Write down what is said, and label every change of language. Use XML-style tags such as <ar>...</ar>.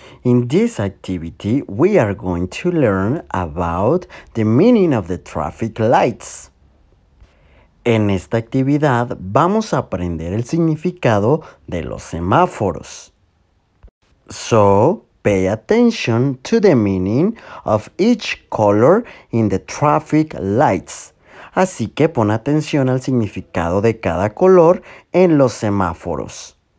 <en>In this activity, we are going to learn about the meaning of the traffic lights.</en> <es>En esta actividad, vamos a aprender el significado de los semáforos.</es> <en>So, pay attention to the meaning of each color in the traffic lights.</en> <es>Así que pon atención al significado de cada color en los semáforos.</es>